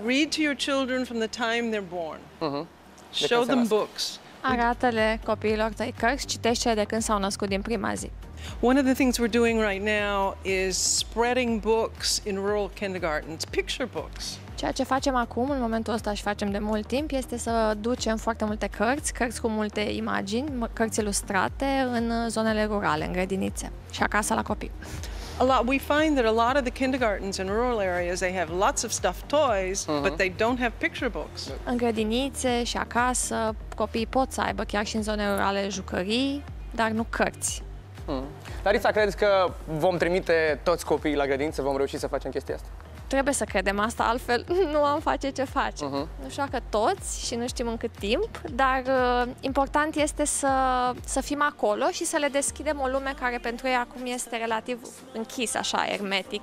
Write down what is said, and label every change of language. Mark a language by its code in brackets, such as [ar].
[en] Read to your children from the time they're born. Uh-huh. Show them books. [ro] Arată-le copiilor tăi cărți, citește-le de când s-au născut din prima zi. [en] One of the things we're doing right now is spreading books in rural kindergartens, picture books. [ro] Ceea ce facem acum, în momentul ăsta și facem de mult timp, este să ducem foarte multe cărți, cărți cu multe imagini, cărți ilustrate în zonele rurale, în grădinițe și acasă la copii. [en] We find that a lot of the kindergartens in rural areas, they have lots of stuffed toys, but they don't have picture books. [ro] În grădinițe și acasă, copiii pot să aibă chiar și în zone rurale jucării, dar nu cărți. Larisa, credeți că vom trimite toți copiii la grădiniță, vom reuși să facem chestia asta? Trebuie să credem asta, altfel nu am face ce facem. Nu știu că toți și nu știm în cât timp, dar important este să fim acolo și să le deschidem o lume care pentru ei acum este relativ închis, așa, ermetic.